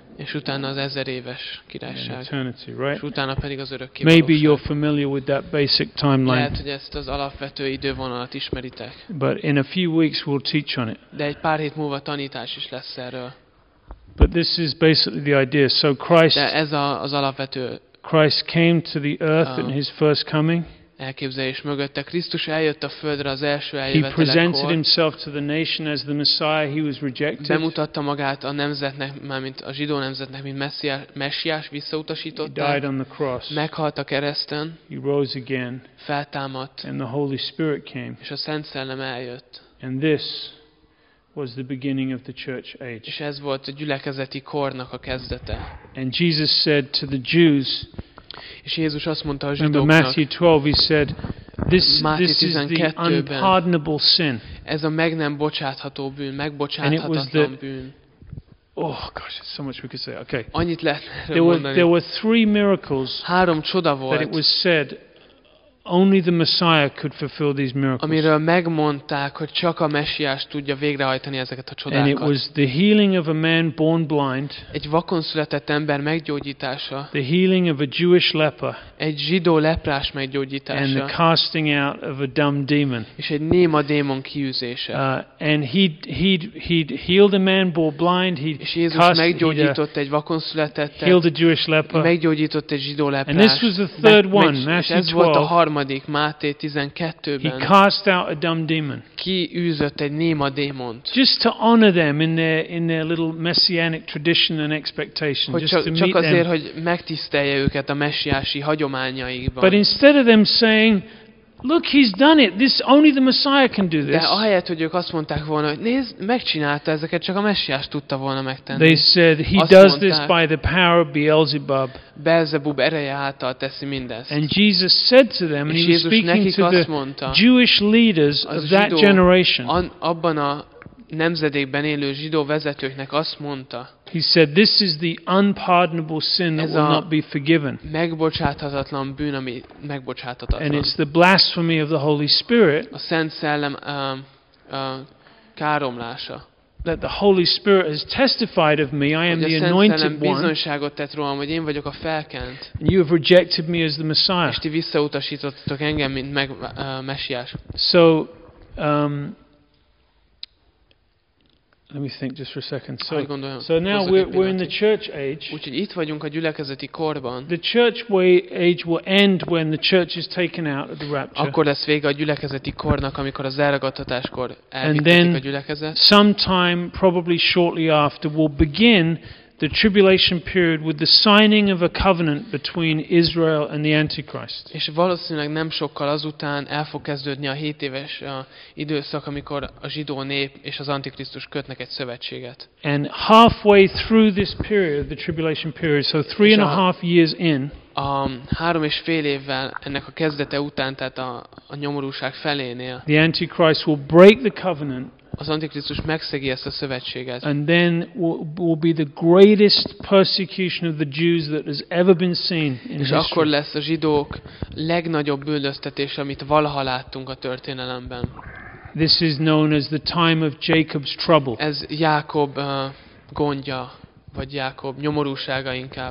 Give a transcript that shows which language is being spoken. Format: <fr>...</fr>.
<hu>és utána az 1000 éves királyság,</hu> <en>eternity, right?</en> <hu>És utána pedig az örök kiválóság.</hu> <en>Maybe you're familiar with that basic timeline.</en> <hu>Lehet, hogy ezt az alapvető idővonalat ismeritek.</hu> <en>But in a few weeks we'll teach on it.</en> <hu>De egy pár hét múlva tanítás is lesz erről.</hu> <en>But this is basically the idea. So Christ,</en> <hu>de ez az alapvető.</hu> <en>Christ came to the earth in his first coming.</en> <hu>Elképzelés mögötte Krisztus eljött a földre az első eljövetelekor.</hu> <en>He presented himself to the nation as the Messiah. He was rejected.</en> <hu>Bemutatta magát a nemzetnek, mármint a zsidó nemzetnek, mint messiás, visszautasította.</hu> <en>He died on the cross.</en> <hu>Meghalt a kereszten.</hu> <en>He rose again.</en> <hu>Feltámadt.</hu> <en>And the Holy Spirit came.</en> <hu>És a Szent Szellem eljött.</hu> <en>And this was the beginning of the church age.</en> <hu>És ez volt a gyülekezeti kornak a kezdete.</hu> <en>And Jesus said to the Jews,</en> <hu>és Jézus azt mondta a zsidóknak,</hu> <en>Matthew 12, he said, this is the unpardonable sin.</en> <hu>Ez a meg nem bocsátható bűn, megbocsáthatatlan bűn.</hu> <en>Oh gosh, so much we could say. Okay.</en> <hu>Annyit lehet mondani.</hu> <en>There were three miracles.</en> <hu>Három csoda volt.</hu> <en>That it was said only the Messiah could fulfill these miracles.</en> <hu>Amiről megmondták, hogy csak a Messiás tudja végrehajtani ezeket a csodákat.</hu> <en>And it was the healing of a man born blind.</en> <hu>Egy vakon született ember meggyógyítása.</hu> <en>The healing of a Jewish leper.</en> <hu>Egy zsidó leprás meggyógyítása.</hu> <en>And the casting out of a dumb demon.</en> <hu>És egy néma démon kiűzése.</hu> <en>And he'd healed a man born blind.</en> <hu>Meggyógyított egy vakon született.</hu> <en>Healed a Jewish leper.</en> <hu>Meggyógyított egy zsidó leprás.</hu> <en>And this was the third one, Matthew 12.</en> <hu>Harmadik, Máté 12-ben.</hu> <en>He cast out a dumb demon.</en> <hu>Kiűzött egy néma démont.</hu> <en>Just to honor them in their little messianic tradition and expectation.</en> <hu>Hogy</hu> <en>just to</en> <hu>csak</hu> <en>meet</en> <hu>azért, Hogy megtisztelje őket a messiási hagyományaikban.</hu> <en>But instead of them saying, look, he's done it. This only the Messiah can do this.</en> <hu>De ahelyett, hogy ők azt mondták volna, hogy nézd, megcsinálta ezeket, csak a messiás tudta volna megtenni.</hu> <en>They said he</en> <hu>azt</hu> <en>does</en> <hu>mondták,</hu> <en>this by the power of Beelzebub.</en> <hu>Beelzebub ereje által teszi mindezt.</hu> <en>And Jesus said to them, and he was speaking to the</en> <hu>mondta,</hu> <en>Jewish leaders of that generation.</en> <hu>Abban a nemzedékben élő zsidó vezetőknek azt mondta.</hu> <en>He said, this is the unpardonable sin that will not be forgiven.</en> <hu>Megbocsáthatatlan bűn, ami megbocsáthatatlan.</hu> <en>And it's the blasphemy of the Holy Spirit.</en> <hu>A Szent Szellem káromlása.</hu> <en>That the Holy Spirit has testified of me, I am the anointed one.</en> <hu>A Szent Szellem bizonyságot tett rólam, hogy én vagyok a felkent.</hu> <en>And you have rejected me as the Messiah.</en> <hu>És ti visszautasítottatok engem, mint messiás.</hu> <en>So, let me think just for a second. So now we're in the church age.</en> <hu>Úgyhogy itt vagyunk a gyülekezeti korban.</hu> <en>The church age will end when the church is taken out at the rapture.</en> <hu>Akkor lesz vége a gyülekezeti kornak, amikor az elragadtatáskor elvitték a gyülekezet.</hu> <en>Sometime probably shortly after will begin the tribulation period with the signing of a covenant between Israel and the Antichrist.</en> <hu>És valószínűleg nem sokkal azután el fog kezdődni a 7 éves időszak, amikor a zsidó nép és az Antikrisztus kötnek egy szövetséget.</hu> <en>And halfway through this period, the tribulation period, so 3.5 years in,</en> <hu>3.5 évvel ennek a kezdete után, tehát a nyomorúság felénél,</hu> <en>the Antichrist will break the covenant.</en> <hu>Az Antikrisztus megszegi ezt a szövetséget.</hu> <en>And then will be the greatest persecution of the Jews that has ever been seen in history.</en> <hu>És akkor lesz a zsidók legnagyobb üldöztetés, amit valaha láttunk a történelemben.</hu> <en>This is known as the time of Jacob's trouble.</en> <hu>Ez Jákob gondja, vagy Jákob nyomorúsága inkább.</hu>